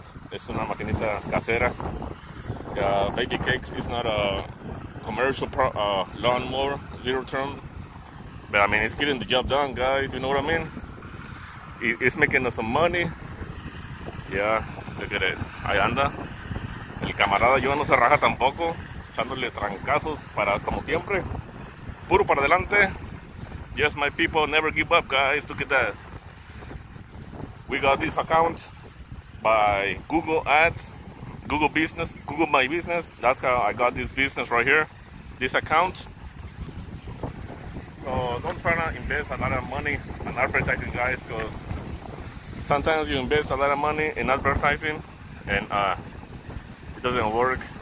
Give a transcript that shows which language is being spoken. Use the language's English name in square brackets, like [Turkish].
[Spanish] Es una maquinita casera. [English] Yeah, baby cakes is not a commercial lawnmower, zero turn. But I mean, it's getting the job done, guys, you know what I mean? It's making us some money. Yeah, look at it. [Spanish] Ahí anda. El camarada Joan no se raja tampoco, echándole trancazos para, como siempre. Puro para adelante. [English] Yes, my people, never give up, guys. Look at that. We got this account by Google Ads, Google Business, Google My Business. That's how I got this business right here, this account. So don't try to invest a lot of money on advertising, guys, because sometimes you invest a lot of money in advertising and it doesn't work.